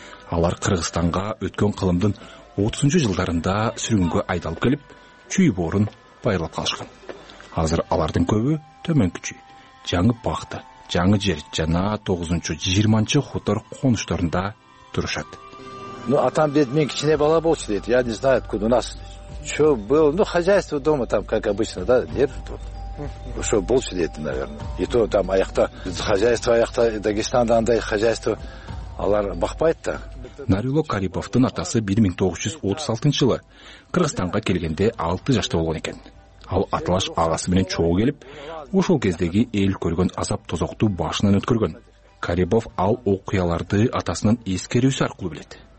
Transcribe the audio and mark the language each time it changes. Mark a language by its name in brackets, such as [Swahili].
[Kyrgyz] Алар Кыргызстанга өткөн кылымдын 30-чу жылдарында сүрүнгө айдалып келип, чүй боорун байырлап калышкан. Азыр алардын көбү Төмөнкү чүй, Жаңы Пахта, Жаңы Жер жана 9-20 хутор конушторунда турушат. Ну, атам дед, мен кичине бала болчу дед. [Russian] Я не знаю, откуда у нас. Чё было? Ну, хозяйство дома там, как обычно, да, держит вот. [Kyrgyz] Ошо болчу дейт, [Russian] наверное. И то там [Kyrgyz] аякта хозяйство, аякта Дагестанда андай хозяйство алар бакпайт да. Нарило Карибовдун атасы 1936 жылы Кыргызстанга келгенде 6 жашта болгон экен. Ал атылаш агасы менен чогуу келип, ошол кездеги эл көргөн азап тозокту башынан өткөргөн. Карибов ал окуяларды атасынын эскерүүсү аркылуу билет.